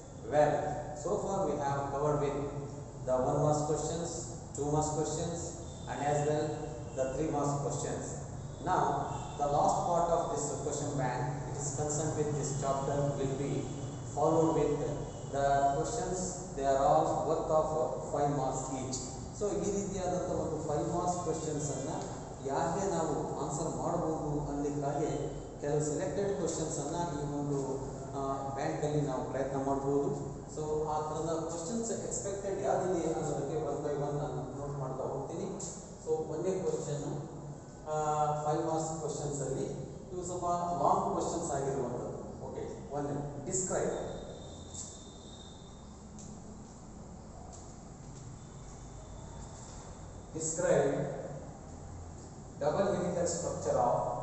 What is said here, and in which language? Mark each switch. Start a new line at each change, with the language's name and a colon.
English: Well, so far we have covered with the one most questions, two most questions, and as well the three most questions. Now, the last part of this question bank, which is concerned with this chapter, will be followed with the questions. They are all worth of 5 marks each.
Kannada: So, ಈ ರೀತಿಯಾದಂತಹ ಒಂದು 5 marks questions ಅನ್ನು ಯಾರಿಗೆ ನಾವು answer ಮಾಡಬಹುದು ಅನ್ನಲಿಕ್ಕಾಗಿ ಕೆಲವು selected questions ಅನ್ನು ಈ ಒಂದು ಬ್ಯಾಂಕಲ್ಲಿ ನಾವು ಪ್ರಯತ್ನ ಮಾಡಬಹುದು. ಸೊ ಆ ಥರದ ಕ್ವಶನ್ಸ್ ಎಕ್ಸ್ಪೆಕ್ಟೆಡ್ ಯಾವುದಿದೆ ಅನ್ನೋದಕ್ಕೆ ಒನ್ ಬೈ ಒನ್ ನಾನು ನೋಟ್ ಮಾಡ್ತಾ ಹೋಗ್ತೀನಿ. ಸೊ ಒಂದೇ ಕ್ವಶನ್ ಫೈವ್ ಮಾರ್ಕ್ಸ್ ಕ್ವಶನ್ಸ್ ಅಲ್ಲಿ ಇವು ಸ್ವಲ್ಪ ಲಾಂಗ್ ಕ್ವಶನ್ಸ್ ಆಗಿರುವಂಥದ್ದು.
English: okay, ಒಂದು describe describe double helical structure of